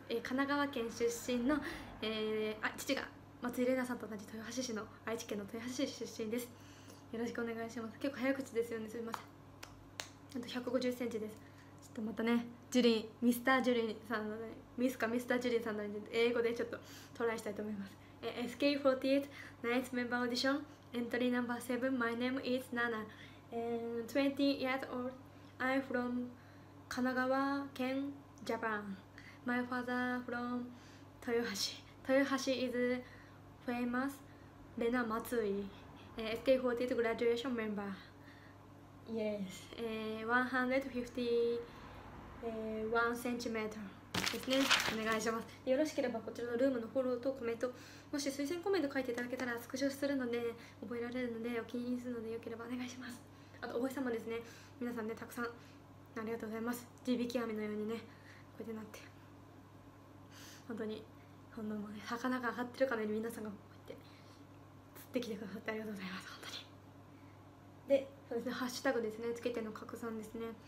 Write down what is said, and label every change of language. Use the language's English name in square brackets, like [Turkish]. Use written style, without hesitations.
[Japanese] 神奈川県出身の、あ、父が松井玲奈さんと同じ豊橋市の、愛知県の豊橋市出身です。よろしくお願いします。結構早口ですよね、すみません。あと150センチです。ちょっとまたね、ジュリー、ミスタージュリーさんの、ね、ミスかミスタージュリーさんの、ね、英語でちょっとトライしたいと思います。 [English] SK48 Nights Member Audition Entry No. 7 My name is Nana and 20 years old I'm from 神奈川県 Japan My father from 豊橋豊橋 is famous レナ松井、SK48 graduation member yes 151cm [Japanese] ですね。お願いします。よろしければこちらのルームのフォローとコメント、もし推薦コメント書いていただけたらスクショするので覚えられるのでお気に入りするのでよければお願いします。あとお星様ですね、皆さんね、たくさんありがとうございます。地引き網のようにね、こうやってなって本当にこのまま魚が上がってるかのように皆さんがこうやって釣ってきてくださってありがとうございます。本当にで、そうですね、ハッシュタグですね、つけての拡散ですね。